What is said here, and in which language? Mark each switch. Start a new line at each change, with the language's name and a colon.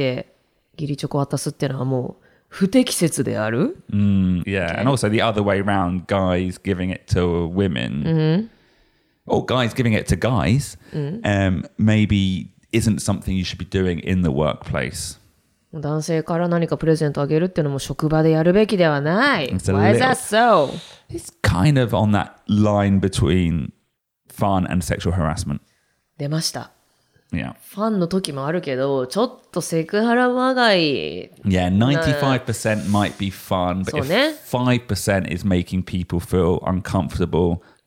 Japanese: 女の人がチョコレート持ってきてギリチョコ渡すっていうのはもう 不適切である?
English: Mm, yeah, okay. And also the other way around, guys giving it to women, mm-hmm. or guys giving it to guys, mm-hmm. Maybe isn't something you should be doing in the workplace.
Japanese: 男性から何かプレゼントあげるっていうのも職場でやるべきではない.
English: Why is that so? It's kind of on that line between fun and sexual harassment.
Japanese: 出ました。
English: Yeah.
Japanese: ファンの時もあるけど、ちょっとセクハラまがい。
English: Yeah, 95% might be fun, but if 5% is making people feel uncomfortable.